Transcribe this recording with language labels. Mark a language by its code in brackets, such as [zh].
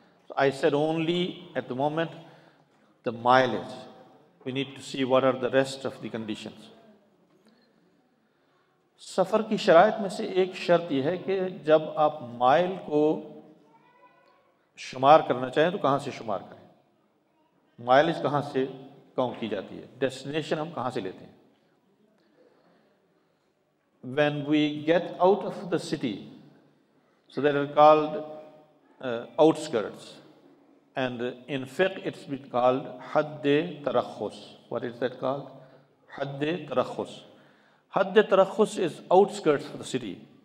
[en] So I said only at the moment the mileage. We need to see what are the rest of the conditions. [ur] سفر کی شرائط میں سے ایک شرط یہ ہے کہ جب آپ مائل کو شمار کرنا چاہیں تو کہاں سے شمار کریں, مائلج کہاں سے کاؤنٹ کی جاتی ہے, ڈیسٹینیشن ہم کہاں سے لیتے ہیں. [en] When we get out of the city, so they are called outskirts, and in fiqh it's been called حد ترخص. What is that called? حد ترخص. حد ترخص is outskirts of the city.